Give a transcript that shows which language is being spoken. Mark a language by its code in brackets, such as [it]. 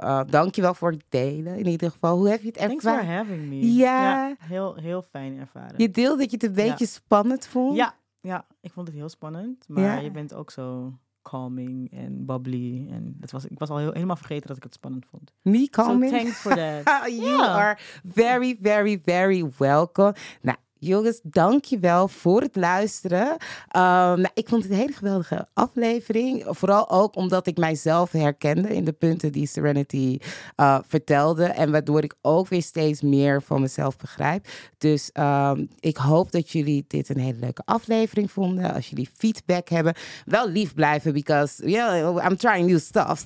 [nl] dank je wel voor het delen, in ieder geval. Hoe heb je het ervaren? [en] Thanks for having me. [nl] Ja. Ja, heel, heel fijn ervaren. Je deelde dat je het een beetje spannend vond? Ja, ik vond het heel spannend. Maar je bent ook zo [en] calming [nl] en [en] bubbly. [nl] En dat was, ik was al helemaal vergeten dat ik het spannend vond. [en] Me calming? So thanks for that. You are very, very, very welcome. [nl] Nou, jongens, dank je wel voor het luisteren. Ik vond het een hele geweldige aflevering. Vooral ook omdat ik mijzelf herkende in de punten die Serenity vertelde. En waardoor ik ook weer steeds meer van mezelf begrijp. Dus ik hoop dat jullie dit een hele leuke aflevering vonden. Als jullie feedback hebben, wel lief blijven. [en] Because I'm trying new stuff.